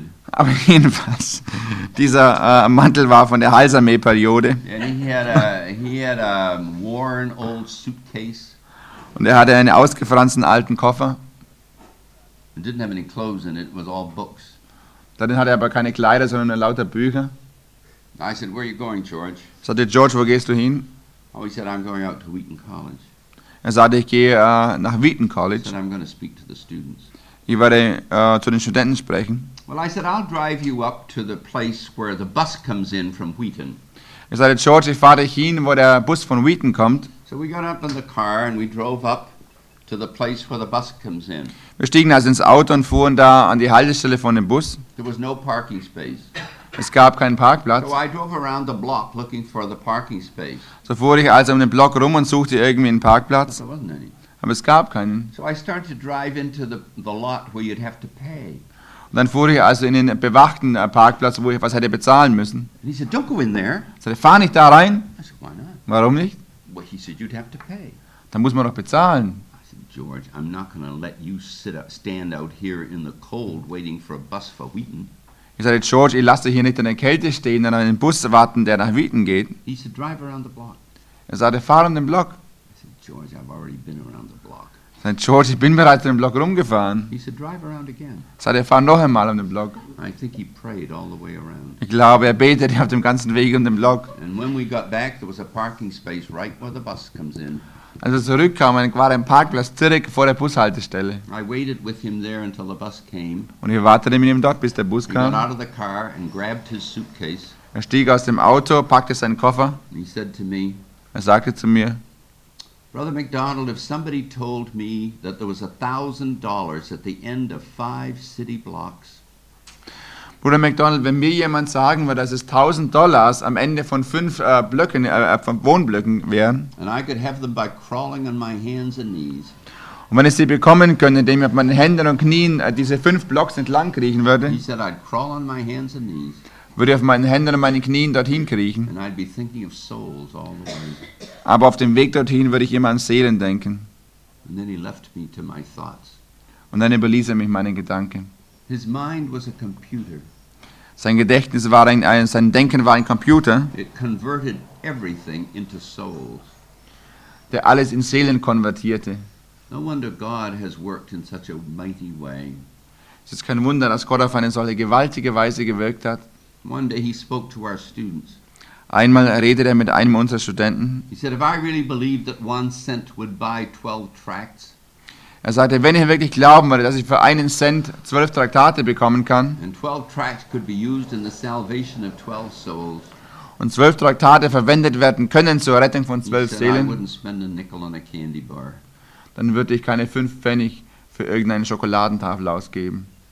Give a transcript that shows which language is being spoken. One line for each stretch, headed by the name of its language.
German: Aber jedenfalls, dieser Mantel war von der Heilsarmee-Periode. Und er hatte einen ausgefransten alten Koffer. Darin hatte er aber keine Kleider, sondern nur lauter Bücher.
English: I said, "Where are you going, George?"
German: Sagte George, wo gehst du hin?
English: Oh, he said, "I'm going out to Wheaton College."
German: Er sagte, ich gehe nach Wheaton College.
English: He said, "I'm going to speak to the students."
German: Ich werde zu den Studenten sprechen.
English: Well, I said, "I'll drive you up to the place where the bus comes in from Wheaton."
German: Er sagte, George, ich fahre dich hin, wo der Bus von Wheaton kommt.
English: So we got up in the car and we drove up to the place where the bus comes in.
German: Wir stiegen also ins Auto und fuhren da an die Haltestelle von dem Bus.
English: There was no parking space.
German: Es gab keinen Parkplatz.
English: So I drove around the block looking for the parking space.
German: So fuhr ich also um den Block rum und suchte irgendwie einen Parkplatz.
English: But there wasn't any.
German: Aber es gab keinen.
English: So I started to drive into the lot where you'd have to pay.
German: Und dann fuhr ich also in den bewachten Parkplatz, wo ich was hätte bezahlen müssen.
English: And he said, "Don't go in there."
German: So ich fahr nicht da rein.
English: I said, "Why not?"
German: Warum nicht?
English: Well, he said, "You'd have to pay."
German: Dann muss man doch bezahlen.
English: I said, "George, I'm not going to let you stand out here in the cold waiting for a bus for Wheaton."
German: Ich sagte, George, ich lasse dich hier nicht in der Kälte stehen, sondern einen Bus warten, der nach Wheaton geht.
English: He said, "Drive around the block."
German: Er sagte, fahr um den Block.
English: I said, "George, I've already been around the block."
German: Ich sagte, George, ich bin bereits um den Block rumgefahren.
English: He said, "Drive around again."
German: Er sagte, fahr noch einmal um den Block.
English: I think he prayed all the way around.
German: Ich glaube, er betete auf dem ganzen Weg um den Block.
English: And when we got back, there was a parking space right where the bus comes in.
German: Als wir zurückkamen, war ein Parkplatz direkt vor der Bushaltestelle.
English: I waited with him there until the bus came.
German: Und ich wartete mit ihm dort, bis der Bus kam.
English: He got out of the car and grabbed his suitcase.
German: Er stieg aus dem Auto, packte seinen Koffer.
English: He said to me,
German: er sagte zu mir,
English: "Brother McDonald, if somebody told me that there was $1,000 at the end of 5 city blocks."
German: Bruder McDonald, wenn mir jemand sagen würde, dass es $1,000 am Ende von 5 Blöcken, von Wohnblöcken wären,
English: and I could have them by crawling on my hands and knees,
German: und wenn ich sie bekommen könnte, indem ich auf meinen Händen und Knien diese 5 Blocks entlang kriechen würde,
English: he said, I'd crawl on my hands and knees,
German: würde ich auf meinen Händen und meinen Knien dorthin kriechen,
English: and I'd be thinking of souls all the way.
German: Aber auf dem Weg dorthin würde ich immer an Seelen denken.
English: And then he left me to my thoughts.
German: Und dann überließ er mich meinen Gedanken.
English: His mind was a computer.
German: Sein Gedächtnis war sein Denken war ein Computer.
English: It converted everything into souls.
German: Der alles in Seelen konvertierte.
English: No wonder God has worked in such a mighty way.
German: Es ist kein Wunder, dass Gott auf eine solche gewaltige Weise gewirkt hat.
English: One day he spoke to our students.
German: Einmal redete er mit einem unserer Studenten.
English: He said, "If I really believed that 1 cent would buy 12 tracts."
German: Er sagte, wenn ich wirklich glauben würde, dass ich für einen Cent 12 Traktate bekommen kann, und 12 Traktate verwendet werden können zur Rettung von 12 Seelen, dann würde ich keine 5 Pfennig für irgendeine Schokoladentafel ausgeben.